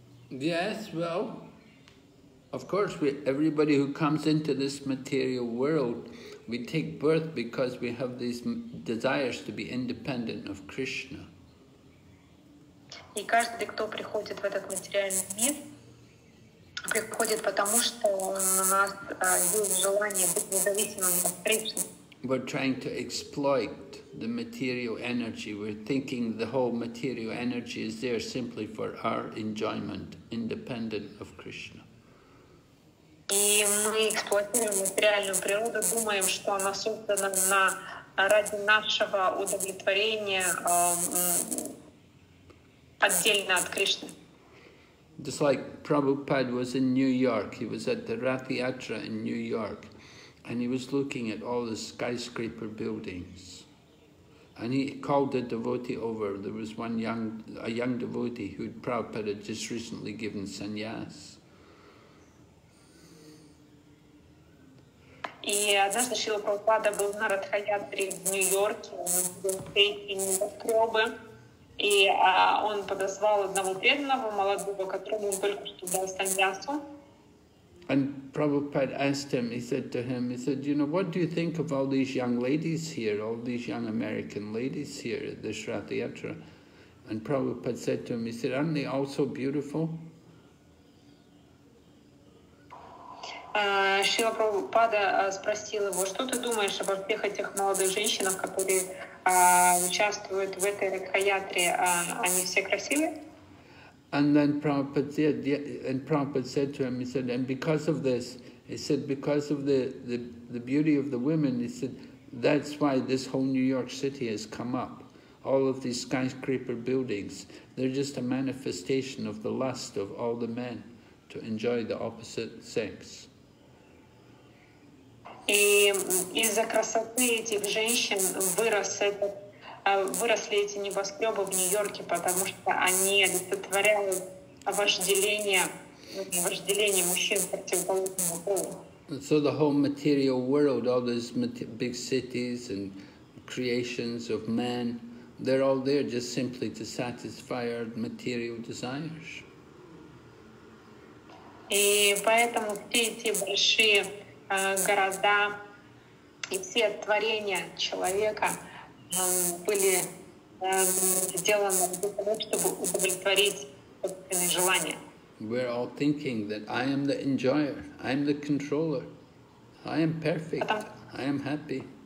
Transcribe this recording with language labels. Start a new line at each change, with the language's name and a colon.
English: Yes, well. Of course, everybody who comes into this material world, we take birth because we have these desires to be independent of Krishna.
Russian: И каждый, кто приходит в этот материальный мир, приходит потому, что у нас есть желание быть независимым от Кришны.
English: We're trying to exploit the material energy. We're thinking the whole material energy is there simply for our enjoyment, independent of Krishna.
Russian: И мы эксплуатируем материальную природу, думаем, что она создана на ради нашего удовлетворения отдельно от Кришны.
English: Just like Prabhupada was in New York, he was at the Rath Yatra in New York, and he was looking at all the skyscraper buildings. And he called a devotee over. There was one young, a young devotee who Prabhupada had just recently given sannyas.
Russian: И однажды Шрила Прабхупада был на Радхаятре в Нью-Йорке, он был в Нью-Йорке, и он подозвал одного преданного молодого, которому он только что дал саньясу.
English: And Prabhupada asked him, he said to him, he said, you know, what do you think of all these young ladies here, all these young American ladies here at this Radhayatra? And Prabhupada said to him, he said, aren't they all so beautiful?
Russian: Шрила Прабхупада спросил его, что ты думаешь обо всех этих молодых женщинах, которые участвуют в этой Радхаятре, они все красивые?
English: And then Prabhupada said to him, he said, and because of this, he said, because of the beauty of the women, he said, that's why this whole New York City has come up. All of these skyscraper buildings, they're just a manifestation of the lust of all the men to enjoy the opposite sex.
Russian: И из-за красоты этих женщин выросли эти небоскребы в Нью-Йорке, потому что они олицетворяют вожделение мужчин противоположному полу.
English: So the whole material world, all these big cities and creations of men, they're all there just simply to satisfy our material desires.
Russian: И поэтому все эти большие города и все творения человека были сделаны для того, чтобы удовлетворить собственные желания.
English: We're all thinking that I am the enjoyer, I am the controller, I am perfect, I am happy.